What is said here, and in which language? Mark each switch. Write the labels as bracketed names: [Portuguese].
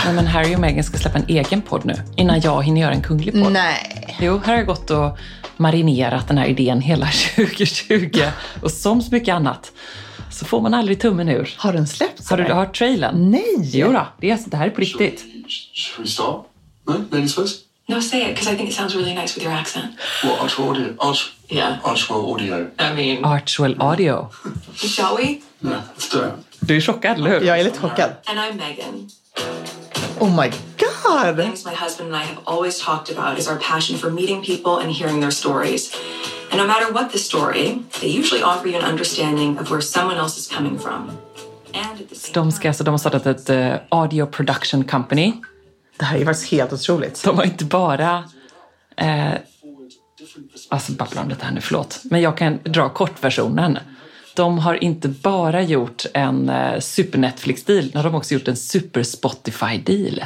[Swedish] Nej, men Harry och Meghan ska släppa en egen podd nu. Innan jag hinner göra en kunglig podd. Nej. Jo, här har jag gått och marinerat den här idén hela 2020. Och som så mycket annat så får man aldrig tummen ur. Har den släppts? Har du hört trailern? Nej. Jo då, det är så, det här är på riktigt. [English] Should we stop? No, say it, because I think it sounds really nice with your accent. What, Artual audio? Artual audio. I mean... Artual audio. Shall we? Yeah, let's do it. [Swedish] Du är chockad, eller hur? Jag är lite chockad. [English] And I'm Megan. Oh my god! Things my husband and I have always talked about is our passion for meeting people and hearing their stories. And no matter what the story, they usually offer you an understanding of where someone else is coming from. [Swedish] De ska alltså, de har startat ett audio production company. Det här är ju faktiskt helt otroligt. De har inte bara... alltså, babbla om det här nu, förlåt. Men jag kan dra kortversionen. De har inte bara gjort en super Netflix-deal, de har också gjort en super Spotify-deal.